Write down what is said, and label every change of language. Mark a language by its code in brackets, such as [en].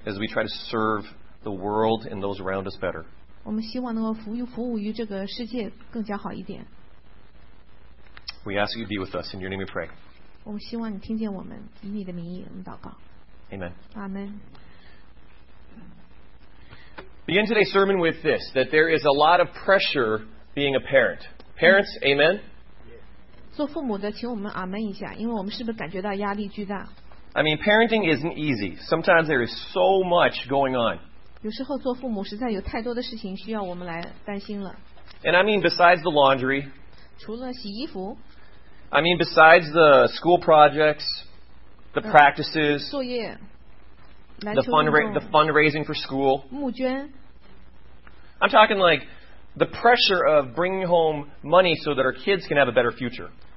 [en] As we try to serve the world and those around us better. [zh] 我们希望能够服务于这个世界更加好一点。 [en] We ask you to be with us. In your name we pray. [zh] 我们希望你听见我们，以你的名义，我们祷告。 [en] Amen. Amen. Begin today's sermon with this, that there is a lot of pressure being a parent. Parents, amen? [zh] 做父母的请我们阿们一下，因为我们是不是感觉到压力巨大？ [en] I mean, parenting isn't easy. Sometimes there is so much going on. [zh] 有时候做父母实在有太多的事情需要我们来担心了。 [en] And I mean besides the laundry. [zh] 除了洗衣服。 [en] I mean besides the school projects, the practices. [zh] 作业。 [en] The fundraising for school. [zh] 募捐. [en] I'm talking like the pressure of bringing home money so that our kids can have a better future.